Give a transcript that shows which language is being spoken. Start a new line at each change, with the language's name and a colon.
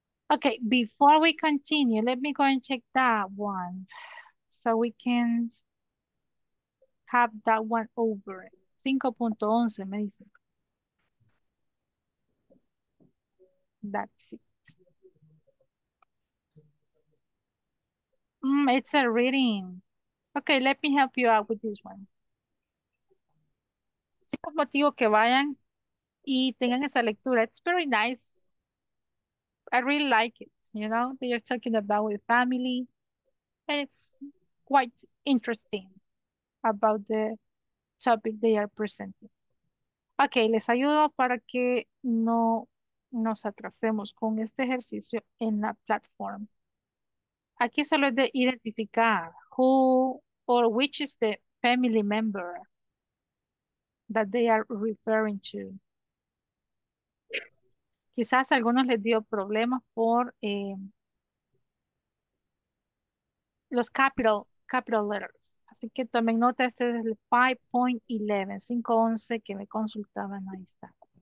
English: Okay, before we continue, let me go and check that one so we can have that one over.
Spanish: 5.11, me dice.
English: That's it. It's a reading. Okay, let me help you out with this one.
Spanish: Es motivo que vayan y tengan esa lectura.
English: It's very nice. I really like it, you know, that you're talking about with family. And it's quite interesting about the topic they are presenting.
Spanish: Okay, les ayudo para que no nos atrasemos con este ejercicio en la platform. Aquí solo es de identificar
English: who or which is the family member that they are referring to.
Spanish: Quizás a algunos les dio problemas por los capital letters. Así que tomen nota, este es el 5.11, 5.11 que me consultaban, ahí está.